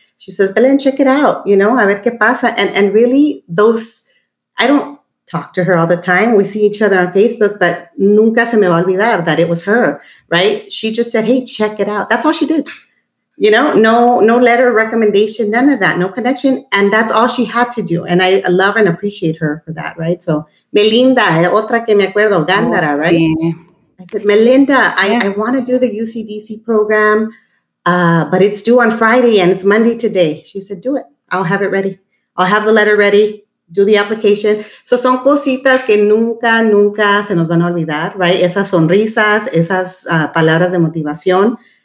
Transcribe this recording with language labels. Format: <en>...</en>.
<en>She says, Belen, check it out, you know,</en> <es>a ver qué pasa.</es> <en>And really, those, I don't talk to her all the time. We see each other on Facebook, but</en> <es>nunca se me va a olvidar</es> <en>that it was her, right? She just said, hey, check it out. That's all she did. You know, no letter recommendation, none of that, no connection. And that's all she had to do. And I love and appreciate her for that, right? So,</en> <es>Melinda, otra que me acuerdo, Gándara,</es> <en>right? I said, Melinda, I want to do the UCDC program, but it's due on Friday and it's Monday today. She said, do it. I'll have it ready. I'll have the letter ready. Do the application.</en> <es>So, son cositas que nunca, nunca se nos van a olvidar,</es> <en>right?</en> <es>Esas sonrisas, esas palabras de motivación.</es>